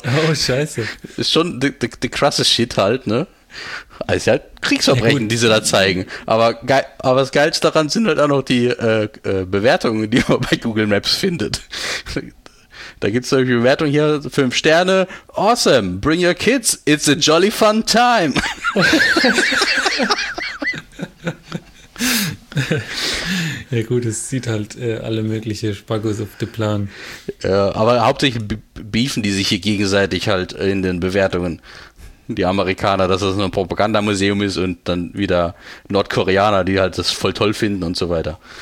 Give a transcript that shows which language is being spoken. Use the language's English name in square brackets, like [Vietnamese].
[German] Oh, scheiße. Ist schon the krasse Shit halt, ne? Also halt Kriegsverbrechen, die sie da zeigen. Aber das Geilste daran sind halt auch noch die Bewertungen, die man bei Google Maps findet. Da gibt es eine Bewertung hier, 5 Sterne. [English] Awesome, bring your kids, it's a jolly fun time. [German] Ja gut, es sieht halt alle möglichen Spackos auf den Plan. Aber hauptsächlich beefen die sich hier gegenseitig halt in den Bewertungen. Die Amerikaner, dass das nur ein Propagandamuseum ist und dann wieder Nordkoreaner, die halt das voll toll finden und so weiter.